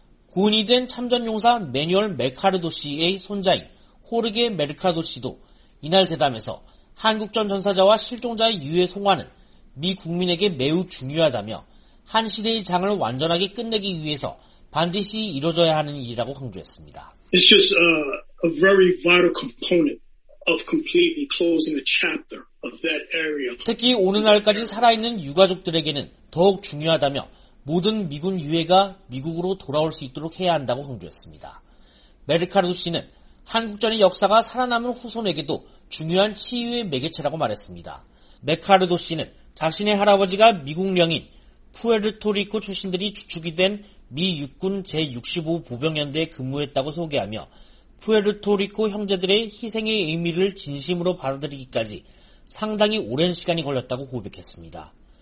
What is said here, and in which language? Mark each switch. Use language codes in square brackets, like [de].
[ko] 군이 된 참전용사 매뉴얼 메카르도 씨의 손자인 호르게 메르카르도 씨도 이날 대담에서 한국전 전사자와 실종자의 유해 송환은 미 국민에게 매우 중요하다며 한 시대의 장을 완전하게 끝내기 위해서 반드시 이루어져야 하는 일이라고 강조했습니다. [en] It's just a very vital component of completely closing the chapter of that area. [ko] 특히 오늘날까지 살아있는 유가족들에게는 더욱 중요하다며 모든 미군 유해가 미국으로 돌아올 수 있도록 해야 한다고 강조했습니다. 메르카르도 씨는 한국전의 역사가 살아남은 후손에게도 중요한 치유의 매개체라고 말했습니다. 메카르도 씨는 자신의 할아버지가 미국령인 푸에르토리코 출신들이 주축이 된 미 육군 제65 보병연대에 근무했다고 소개하며 푸에르토리코 형제들의 희생의 의미를 진심으로 받아들이기까지 상당히 오랜 시간이 걸렸다고 고백했습니다.